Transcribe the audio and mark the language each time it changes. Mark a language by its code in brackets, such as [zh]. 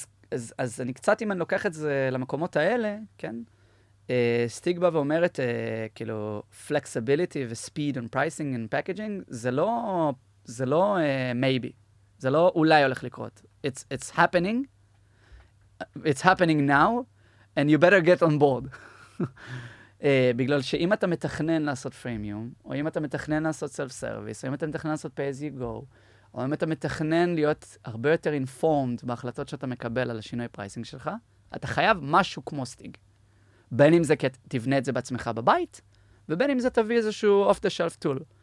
[he] אז אני קצת, אם אני לוקח את זה למקומות האלה, כן? סטיג בא ואומרת, כאילו, flexibility ו-speed [en] on pricing and packaging, [he] זה לא maybe, זה לא אולי הולך לקרות. [en] It's happening, it's happening now, and you better get on board. [he] בגלל שאם אתה מתכנן לעשות freemium, או אם אתה מתכנן לעשות self-service, או אם אתה מתכנן לעשות pay as you go, או אם אתה מתכנן להיות הרבה יותר informed בהחלטות שאתה מקבל על השינוי פרייסינג שלך, אתה חייב משהו כמו סטיג. בין אם זה תבנה את זה בעצמך בבית, ובין אם זה תביא איזשהו off-the-shelf tool.